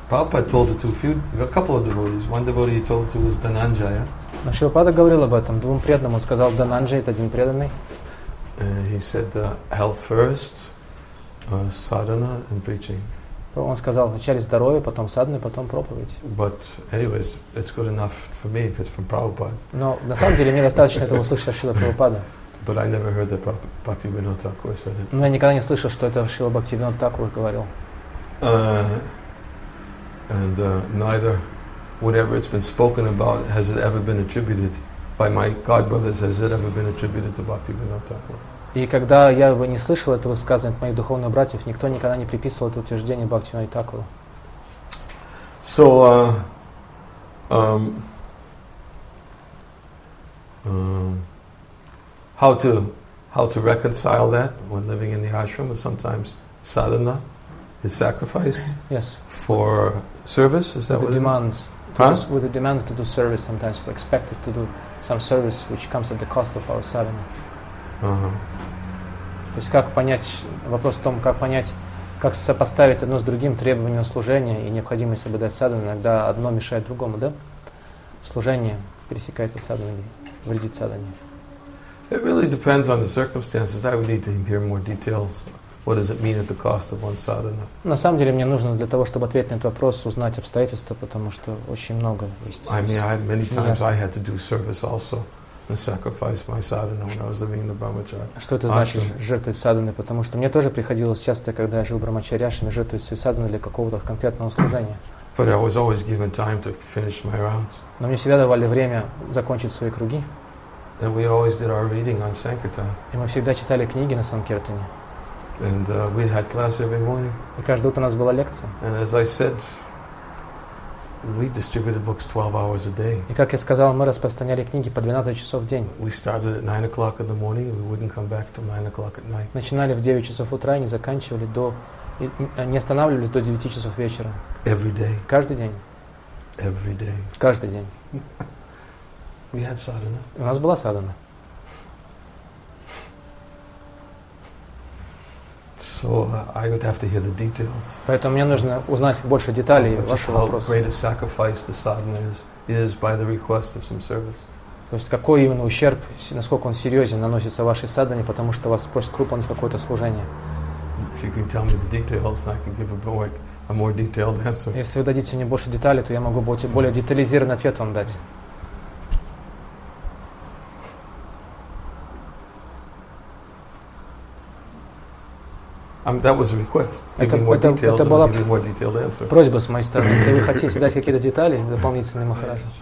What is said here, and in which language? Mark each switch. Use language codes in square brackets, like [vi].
[en] Prabhupada told it to a couple of devotees. One devotee he told it to was Dhananjaya. [ru] Но Шилпада говорил об этом двум преданным. Он сказал, Дананджай — это один преданный. [en] He said, health first, sadhana and preaching. [ru] Он сказал, вначале здоровье, потом садхана, потом проповедь. [en] But anyways, it's good enough for me if it's from Prabhupada. [ru] Но на самом деле мне достаточно этого услышать от Шрила Прабхупады. [en] But I never heard that Bhaktivinoda Thakur said it. [ru] Но я никогда не слышал, что это Шрила Бхактивинода Тхакура говорил. [en] And neither whatever it's been spoken about has it ever been attributed by my god brothers, has it ever been attributed to Bhaktivinoda Thakur. [ru] И когда я бы не слышал этого сказания от моих духовных братьев, никто никогда не приписывал это утверждение Бхактивинода Тхакура. [en] So, how to reconcile that when living in the ashram? Sometimes sadhana is sacrificed. Yes. For service, is that the what demands? It is? Huh? With the demands to do service, sometimes we're expected to do some service which comes at the cost of our sadhana. Uh-huh. [ru] То есть как понять, вопрос в том, как понять, как сопоставить одно с другим требование служения и необходимость соблюдать садхану, иногда одно мешает другому, да? Служение пересекается с садханой, вредит садхане. [en] It really depends on the circumstances. I would need to hear more details. What does it mean at the cost of one sadhana? [ru] На самом деле мне нужно для того, чтобы ответить на этот вопрос, узнать обстоятельства, потому что очень много есть. [en] I mean, many times I had to do service also. And sacrifice my sadhana when I was living in the Brahmacharya. [ru] Что это значит жертвовать садханой? Потому что мне тоже приходилось часто, когда я жил в Брахмачари ашрам, жертвовать свою садхану для какого-то конкретного служения. [en] But I was always given time to finish my rounds. [ru] Но мне всегда давали время закончить свои круги. [en] And we always did our reading on Sankirtan. [ru] И мы всегда читали книги на Санкиртане. [en] And we had class every morning. [ru] И каждое утро у нас была лекция. [en] And as I said, we distributed books 12 hours a day. [ru] И как я сказал, мы распространяли книги по 12 часов в день. [en] We started at 9 o'clock in the morning. We wouldn't come back till 9 o'clock at night. [ru] Начинали в 9 часов утра и не заканчивали до, не останавливались до 9 часов вечера. [en] Every day. [ru] Каждый день. [en] Every day. [ru] Каждый день. [en] We had sadhana. [ru] У нас была sadhana. [en] So I would have to hear the details. [ru] Поэтому мне нужно узнать больше деталей вашего вопроса. [en] How great a sacrifice the sadhana is by the request of some service. [ru] То есть какой именно ущерб, насколько он серьезен, наносится вашей садхане, потому что вас просят выполнить какое-то служение. [en] If you can tell me the details, I can give a more detailed answer. [ru] Если вы дадите мне больше деталей, то я могу более детализированный ответ вам дать. [en] That was a request. Give me more details and I'll give [ru] Просьба с моей стороны. Если вы хотите дать детали дополнительные, Махараджа.